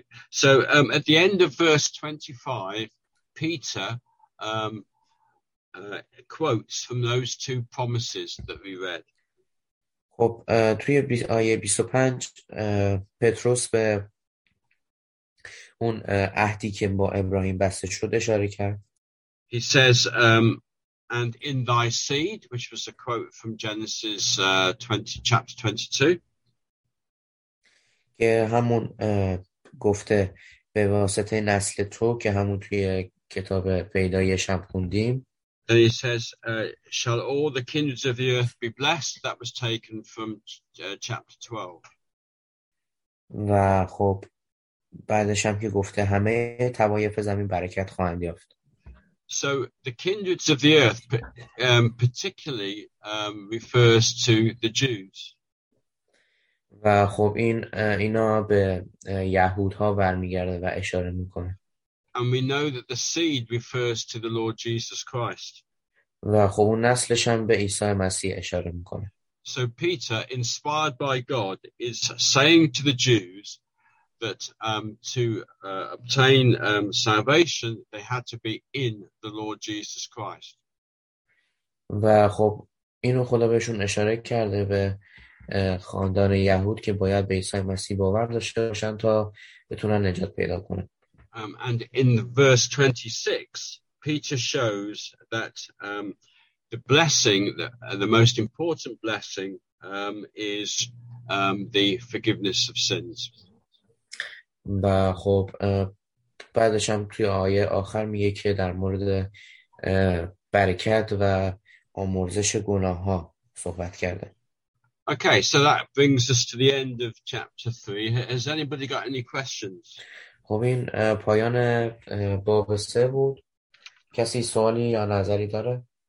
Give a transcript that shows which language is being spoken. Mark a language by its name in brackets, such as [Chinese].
[English] So at the end of verse 25, Peter quotes from those two promises that we read. [Persian] خب توی آیه 25 پتروس به اون عهدی که با ابراهیم بسته شد اشاره کرد. [English] He says, and in thy seed, which was a quote from Genesis 20, chapter 22. [Persian] که همون گفته به واسطه نسل تو که همون توی کتاب پیدایش هم خوندیم. [English] And he says, shall all the kindreds of the earth be blessed? That was taken from chapter 12. [Persian] و خب بعدش هم که گفته همه طوایف زمین برکت خواهند یافت. [English] So the kindreds of the earth particularly refers to the Jews. [Persian] و خب این اینا به یهودها برمیگرده و اشاره میکنه. [English] And we know that the seed refers to the Lord Jesus Christ. [Persian] و خب اون نسلش هم به عیسی مسیح اشاره میکنه. [English] So Peter, inspired by God, is saying to the Jews that to obtain salvation they had to be in the Lord Jesus Christ. [Persian] و خب اینو خدا بهشون اشاره کرده به خاندان یهود که باید به عیسی مسیح باور داشته باشن تا بتونن نجات پیدا کنن. [English] And in verse 26 Peter shows that the blessing, the most important blessing is the forgiveness of sins. [Persian] و خب بعدش هم توی آیه آخر میگه که در مورد برکت و آمرزش گناه ها صحبت کرده. [English] Okay, so that brings us to the end of chapter 3. Has anybody got any questions? [Persian] خب این پایان باب 3 بود. کسی سوالی یا نظری داره؟